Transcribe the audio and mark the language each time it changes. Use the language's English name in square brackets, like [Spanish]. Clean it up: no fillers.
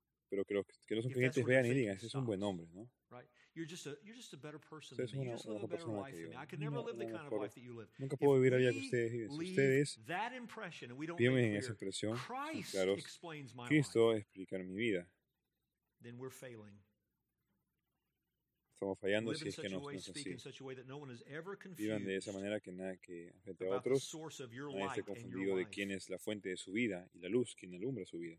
[Spanish] Pero que los creyentes vean y digan, ese es un buen hombre, ¿no? [English] Right. You're just a better person than me. You just live a better life than me. I could never live the kind of life that you live. [Spanish] Nunca puedo vivir la vida que ustedes viven. Si ustedes [English] that impression and we don't make clear, [Spanish] impresión, [English] Christ [Spanish] claros, [English] explains my [Spanish] Cristo [English] life. [Spanish] Explica mi vida. [English] Then we're failing. [Spanish] estamos fallando, si es que no es así. Vivan de esa manera que nada que afecte a otros, nadie esté confundido de quién es la fuente de su vida y la luz, quien alumbra su vida.